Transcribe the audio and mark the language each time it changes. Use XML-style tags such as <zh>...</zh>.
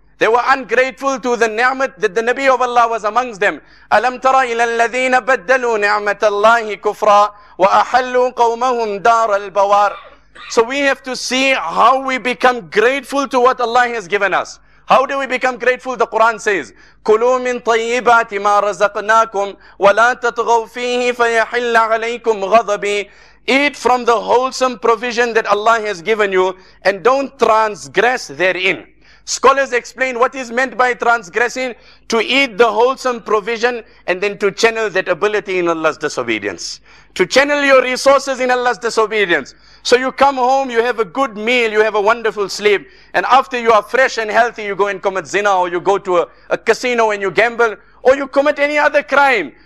<en>They were ungrateful to the ni'mat that the Nabi of Allah was amongst them.</en> <ar>أَلَمْ تَرَ إِلَى الَّذِينَ بَدَّلُوا نِعْمَةَ اللَّهِ كُفْرًا وَأَحَلُّوا قَوْمَهُمْ دَارَ الْبَوَارِ.</ar> <en>So we have to see how we become grateful to what Allah has given us. How do we become grateful? The Quran says,</en> <ar>كُلُوا مِن طَيِّبَاتِ مَا رَزَقْنَاكُمْ وَلَا تَطْغَوْا فِيهِ فَيَحِلَّ عَلَيْكُمْ غَضَبِي.</ar> <en>Eat from the wholesome provision that Allah has given you and don't transgress therein. Scholars explain what is meant by transgressing, to eat the wholesome provision and then to channel that ability in Allah's disobedience. To channel your resources in Allah's disobedience. So you come home, you have a good meal, you have a wonderful sleep, and after you are fresh and healthy, you go and commit zina, or you go to a casino and you gamble, or you commit any other crime.</en>